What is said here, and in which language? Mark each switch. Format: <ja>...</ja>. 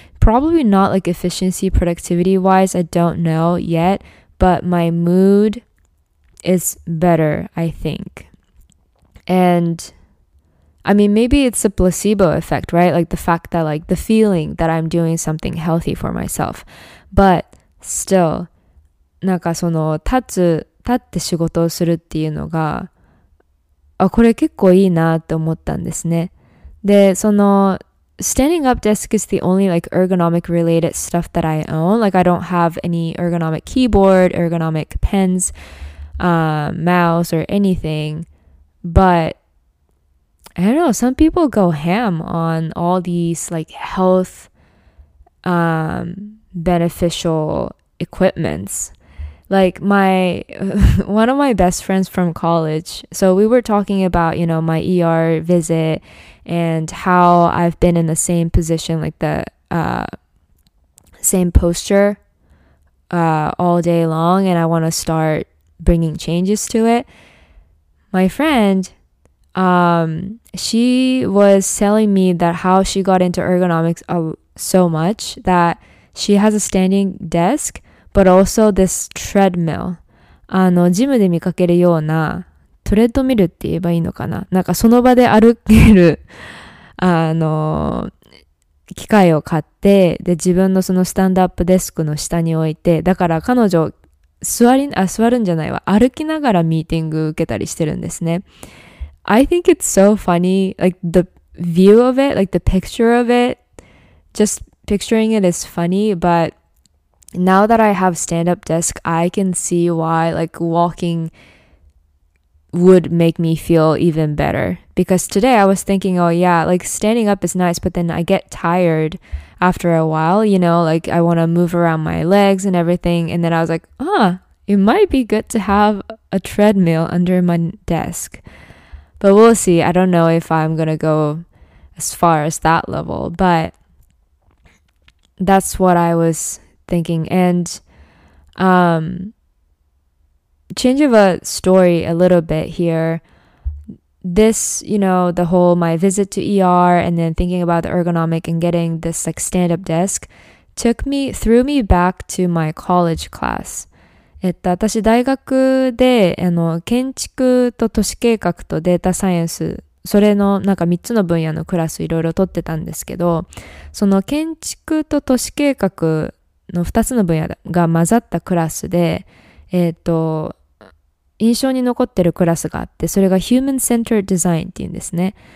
<en>Probably not like efficiency, productivity wise, I don't know yet. But my mood is better, I think. And I mean, maybe it's a placebo effect, right? Like the fact that like the feeling that I'm doing something healthy for myself. But still,</en> <ja>なんかその立って仕事をするっていうのが、あ、これ結構いいなって思ったんですね。</ja> <en>で、その standing up desk is the only like ergonomic related stuff that I own. Like I don't have any ergonomic keyboard, ergonomic pens, mouse or anything. But I don't know, some people go ham on all these like health beneficial equipments. Like my one of my best friends from college. So we were talking about, you know, my ER visit and how I've been in the same position, like the same posture all day long, and I want to start bringing changes to it. My friend, she was telling me that how she got into ergonomics so much that she has a standing desk, but also this treadmill.</en> <ja>あの、ジムで見かけるようなトレッドミルって言えばいいのかな、なんかその場で歩けるあの機械を買って、で自分のそのスタンドアップデスクの下に置いて、だから彼女座るんじゃないわ、歩きながらミーティング受けたりしてるんですね。</ja> <en>I think it's so funny, like the view of it, like the picture of it, just picturing it is funny, but now that I have stand up desk, I can see why like walkingwould make me feel even better. Because today I was thinking, oh yeah, like standing up is nice, but then I get tired after a while, you know, like I want to move around my legs and everything. And then I was like, huh, it might be good to have a treadmill under my desk. But we'll see. I don't know if I'm going to go as far as that level, but that's what I was thinking. And, change of a story a little bit here. This, you know, the whole my visit to ER and then thinking about the ergonomic and getting this like stand-up desk threw me back to my college class.</en> <ja>私大学で建築と都市計画とデータサイエンス、それのなんか3つの分野のクラスいろいろ取ってたんですけど、その建築と都市計画の2つの分野が混ざったクラスで、印象に残ってるクラスがあって、それが Human Centered Design っていうんですね。</ja>